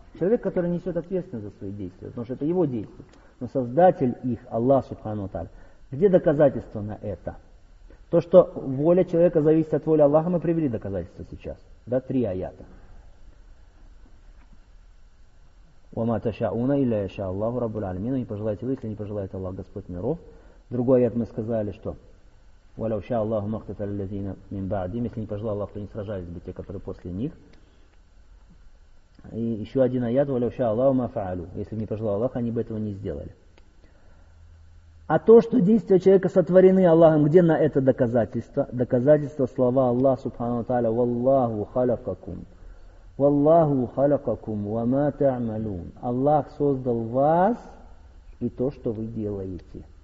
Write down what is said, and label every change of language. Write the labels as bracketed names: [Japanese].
[Russian] Человек, который несет ответственность за свои действия, потому что это его действие. Но создатель их, Аллах, Субхану Тааля. Где доказательства на это? То, что воля человека зависит от воли Аллаха, мы привели доказательства сейчас. Да, три аята. [Arabic] وَمَا تَشَاءُونَ إِلَّا يَشَاءَ اللَّهُ رَبُّ الْعَالَمِينَ. [Russian] Не пожелаете вы, если не пожелает Аллах, Господь миров. Другой аят мы сказали, что [Arabic] وَلَوْ شَاءَ اللَّهُ مَا اقْتَتَلَ الَّذِينَ مِنْ بَعْدِهِمْ. [Russian] Если не пожелал Аллах, то не сражались бы те, которые после них. И еще один аят [Arabic] وَلَوْ شَاءَ اللَّهُ مَا فَعَلُوا. [Russian] Если не пожелал Аллах, они бы этого не сделали. А то, что действия человека сотворены Аллахом, где на это доказательство? Доказательство слова Аллах Субхану Тааля [Arabic] وَاللَّهُ خَلَقَكُمْ. وَاللَّهُ خَلَقَكُمْ وَمَا تَعْمَلُونَ. [Russian] Аллах создал вас и то, что вы делаете.